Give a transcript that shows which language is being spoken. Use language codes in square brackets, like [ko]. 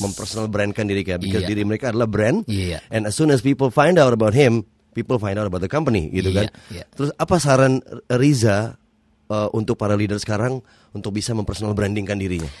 [id] Mempersonal brandkan diri kayak, because diri mereka adalah brand. Yeah. [en] And as soon as people find out about him, people find out about the company, [id] gitu kan? Yeah. Terus apa saran Riza? Untuk para leader sekarang untuk bisa mempersonal brandingkan dirinya.